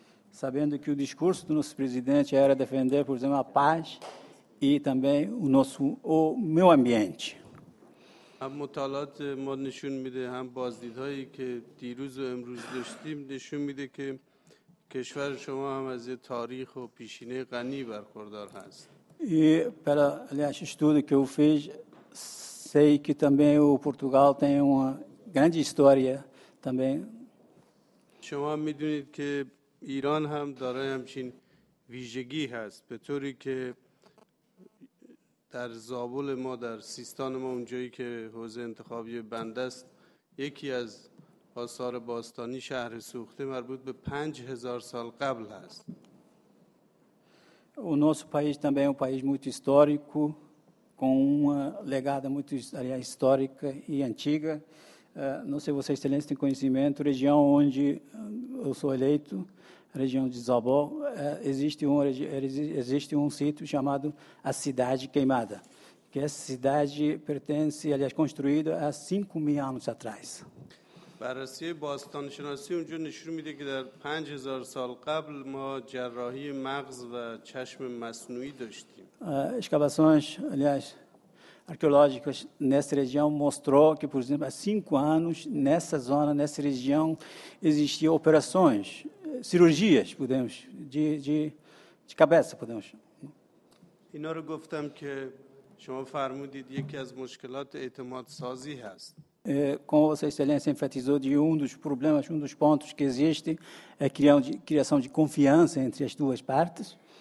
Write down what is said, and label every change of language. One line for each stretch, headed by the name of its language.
Portuguese: Sabendo que o discurso do nosso presidente era defender, por exemplo, a paz e também o meio ambiente.
Persian: A مطالعات ما نشون میده هم بازدیدهایی که دیروز و امروز داشتیم نشون میده که کشور شما هم از یه تاریخ و پیشینه غنی برخوردار هست.
Portuguese: E pela aliás estudo que eu fiz, sei que também o Portugal tem uma grande história também.
Persian: شما میدونید که ایران هم دارای همچین ویژگی هست، به طوری که در زابل ما، در سیستان ما، اونجایی که حوزه انتخابی بنده است، یکی از آثار باستانی شهر سوخته مربوط به 5000 سال قبل هست.
Portuguese: O nosso país também é um país muito histórico, com uma legada muito histórica e antiga. Não sei se vocês têm conhecimento, região onde eu sou eleito, região de Zabó, existe um sítio chamado a Cidade Queimada, que essa cidade pertence, aliás, construída há 5000 anos atrás.
Persian: بررسی باستان شناسی اونجا نشون میده که در 5000 سال قبل ما جراحی مغز و چشم مصنوعی داشتیم.
Portuguese: Escavações, aliás, arqueológicas nessa região mostrou que, por exemplo, há 5 anos nessa zona, nessa região, existiam operações, cirurgias, podemos de cabeça, podemos.
Persian: اینا رو گفتم که شما فرمودید یکی از مشکلات اعتماد سازی هست.
Portuguese: Como Vossa Excelência enfatizou, de um dos problemas, um dos pontos que existe é a criação de confiança entre as duas partes.